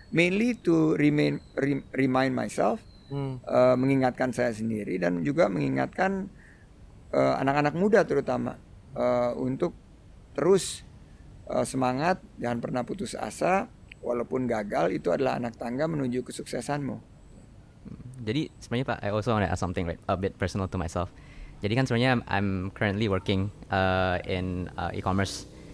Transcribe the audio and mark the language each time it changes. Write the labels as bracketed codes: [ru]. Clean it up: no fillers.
[en] Mainly to remind myself. [id] Mengingatkan saya sendiri dan juga mengingatkan anak-anak muda terutama untuk terus semangat, jangan pernah putus asa, walaupun gagal itu adalah anak tangga menuju kesuksesanmu. Jadi sebenarnya Pak, [en] I also want to add something right, a bit personal to myself. [id] Jadi kan sebenarnya [en] I'm currently working in e-commerce.